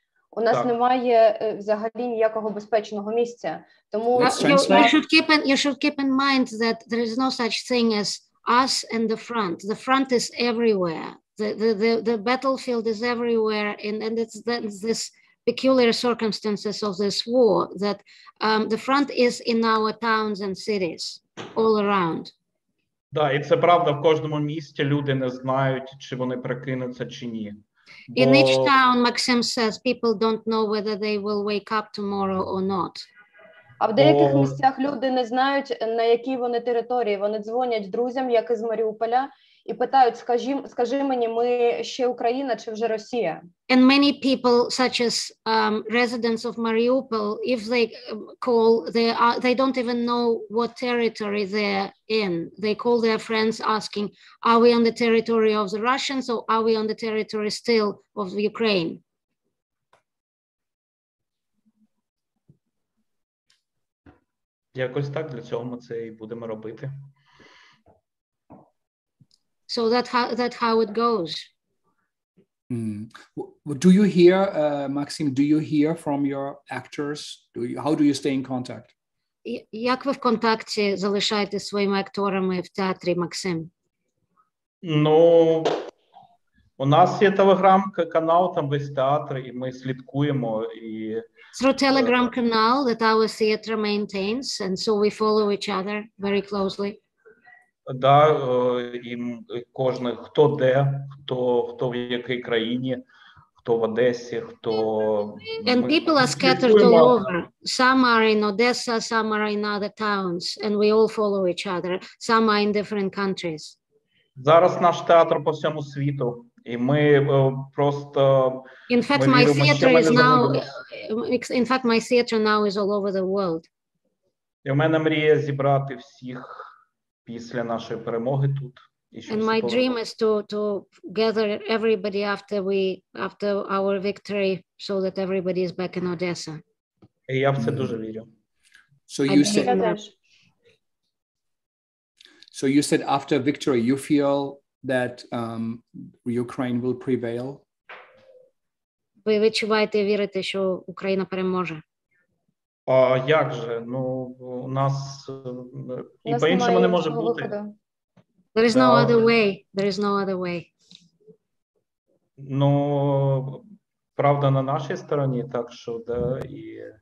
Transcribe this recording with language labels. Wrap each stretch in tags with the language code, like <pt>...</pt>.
<uk>У нас немає взагалі ніякого безпечного місця. Тому</uk> <en>you should keep in mind that there is no such thing as us and the front. The front is everywhere. The battlefield is everywhere, and it's this peculiar circumstances of this war that the front is in our towns and cities all around.</en> <uk>Да, і це правда, в кожному місті люди не знають, чи вони прокинуться чи ні.</uk> <en>In each town, Maxim says, people don't know whether they will wake up tomorrow or not.</en> <uk>А в деяких місцях люди не знають, на якій вони території. Вони дзвонять друзям, як із Маріуполя, і питають, скажи мені, ми ще Україна чи вже Росія?</uk> <en>And many people, such as residents of Mariupol, if they call, they don't even know what territory they're in. They call their friends asking, are we on the territory of the Russians or are we on the territory still of Ukraine?</en> <uk>Якось так, для цього ми це і будемо робити.</uk> <en>So that's how it goes. Do you hear, Maxim, do you hear from your actors? How do you stay in contact?</en> <uk>Як ви в контакті залишаєтеся своїми акторами в театрі, Максим? Ну, у нас є телеграм-канал, там весь театр, і ми слідкуємо. І...</uk> <en>Through telegram canal that our theater maintains, and so we follow each other very closely.</en> <uk>Да, і кожен, хто де, хто в якій країні, хто в Одесі, хто...</uk> <en>And people are scattered all over. Some are in Odessa, some are in other towns, and we all follow each other. Some are in different countries.</en> <uk>Зараз наш театр по всьому світу, і ми просто...</uk> <en>In fact, my theater is now... In fact, my theater now is all over the world.</en> <uk>І в мене мрія зібрати всіх після нашої перемоги тут.</uk> <en>And my dream is to gather everybody after our victory, so that everybody is back in Odessa.</en> <uk>І я в це дуже вірю.</uk> <en>So you said. So you said after victory, you feel that Ukraine will prevail.</en> <uk>Ви відчуваєте і вірите, що Україна переможе? А як же? Ну, у нас і по-іншому не може бути.</uk> <en>There is no other way. There is no other way.</en> <uk>Ну, правда на нашій стороні, так що, да, і...</uk>